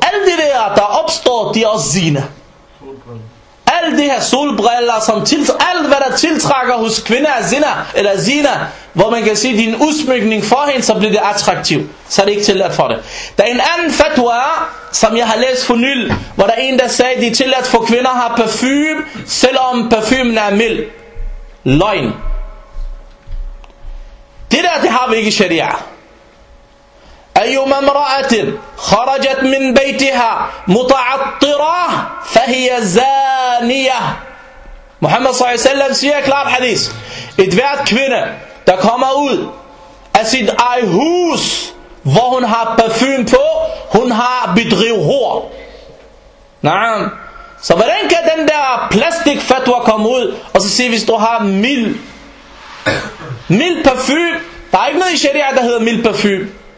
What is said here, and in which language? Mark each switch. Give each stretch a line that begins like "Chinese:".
Danish: Alle de der, der opstår, de er også sine. Alle de her solbriller, som alt hvad der tiltrækker hos kvinder er zina, eller zina, hvor man kan se din udsmykning for hende, så bliver det attraktiv. Så er det ikke tilladt for det. Der er en anden fatwa, som jeg har læst for nyl, hvor der er en, der sagde, at det er tilladt for kvinder at have parfume, selvom parfumen er mild. Løgn. Det der, det har vi ikke i sharia.
Arabic: أيما امرأة خرجت من بيتها متعطرة فهي زانية. محمد صلى الله عليه وسلم
Danish: siger klart hadith. Et hvert kvinde, der kommer ud af sit eget hus, hvor hun har parfum på, hun har bedrivet hår. Naam. Så hvordan kan den der plastik fatwa komme ud, og så siger, hvis du har mild parfum, der er ikke noget i sharia, der hedder mild parfum.